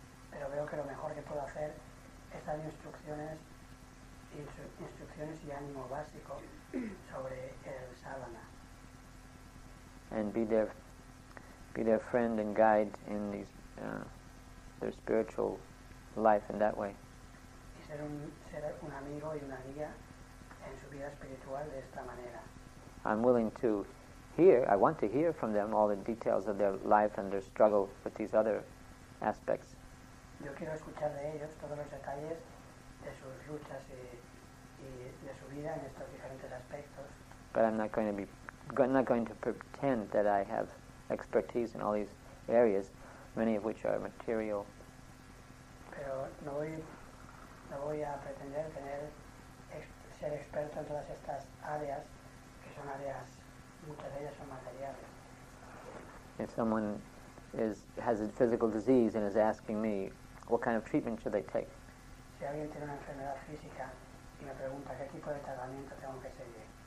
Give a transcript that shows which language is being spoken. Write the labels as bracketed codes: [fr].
[es] Pero veo que lo mejor que puedo hacer es dar instrucciones, instrucciones y ánimo básico sobre el sadhana. [en] And be their friend and guide in these, their spiritual life in that way. [es] Y ser un amigo y una guía en su vida espiritual de esta manera. [en] I'm willing to hear, I want to hear from them all the details of their life and their struggle with these other aspects. [es] Yo quiero escuchar de ellos todos los detalles de sus luchas y de su vida en estos diferentes aspectos. [en] But I'm not going to be, not going to pretend that I have expertise in all these areas, many of which are material. [es] Pero no voy a pretender tener ser experto en todas estas áreas, que son áreas, muchas de ellas son materiales. [en] If someone has a physical disease and is asking me, what kind of treatment should they take? [es] Si alguien tiene una enfermedad física y me pregunta qué tipo de tratamiento tengo que seguir.